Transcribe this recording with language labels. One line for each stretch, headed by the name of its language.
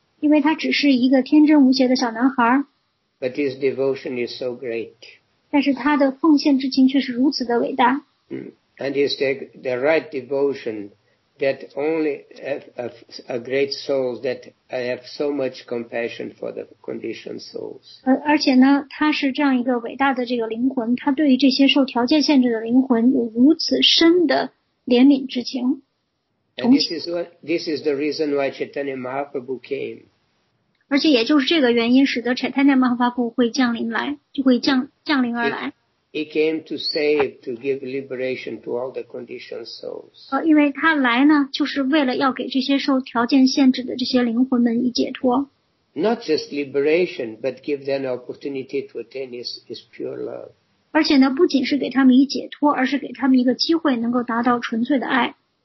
Chinese: 因为他只是一个天真无邪的小男孩。
English: But his devotion is so great.
Chinese: 但是他的奉献之情却是如此的伟大。
English: And he's the right devotion that only a great soul that I have so much compassion for the conditioned souls.
Chinese: 而且呢，他是这样一个伟大的这个灵魂，他对于这些受条件限制的灵魂有如此深的怜悯之情。
English: And this is the reason why Chaitanya Mahaprabhu came.
Chinese: 而且也就是这个原因，使得 Chaitanya Mahaprabhu 会降临来，就会降临而来。
English: He came to save, to give liberation to all the conditioned souls.
Chinese: 因为他来呢，就是为了要给这些受条件限制的这些灵魂们以解脱。
English: Not just liberation, but give them an opportunity to attain his pure love.
Chinese: 而且呢，不仅是给他们以解脱，而是给他们一个机会能够达到纯粹的爱。